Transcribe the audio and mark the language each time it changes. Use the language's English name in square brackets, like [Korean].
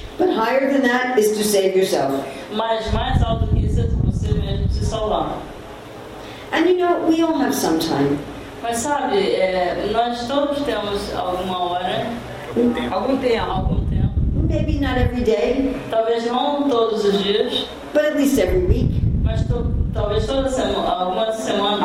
[English] But higher than that is to save yourself. [Portuguese] Mas mais alto que isso é você mesmo se salvar. [English] And you know, we all have some time. [Portuguese] Mas sabe, nós todos temos alguma hora. Algum tempo. [English] Maybe not every day. [Portuguese] Talvez não todos os dias. [English] But at least every week. [Portuguese] Mas talvez toda semana, alguma semana,